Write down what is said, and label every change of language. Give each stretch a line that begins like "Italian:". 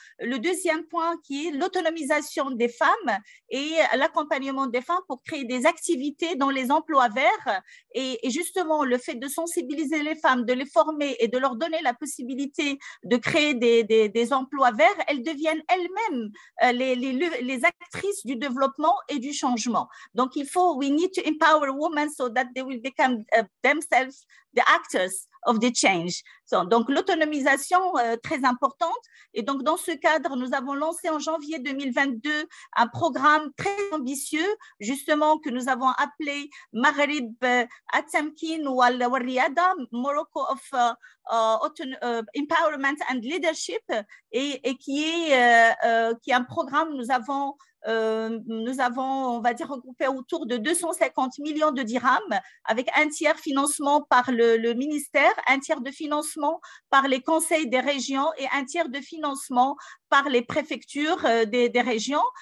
French: Le deuxième point qui est l'autonomisation des femmes et l'accompagnement des femmes pour créer des activités dans les emplois verts et justement le fait de sensibiliser les femmes, de les former et de leur donner la possibilité de créer des emplois verts, elles deviennent elles-mêmes les actrices du développement et du changement. Donc il faut,
English: we need to empower women so that they will become themselves the actors of the change.
French: Donc l'autonomisation très importante, et donc dans ce cadre nous avons lancé en janvier 2022 un programme très ambitieux justement que nous avons appelé Maghrib Atamkin Wal Riyada,
English: Morocco of Empowerment and Leadership,
French: et qui est un programme nous avons, on va dire, regroupé autour de 250 millions de dirhams, avec un tiers financement par le ministère, un tiers de financement par les conseils des régions et un tiers de financement par les préfectures des régions.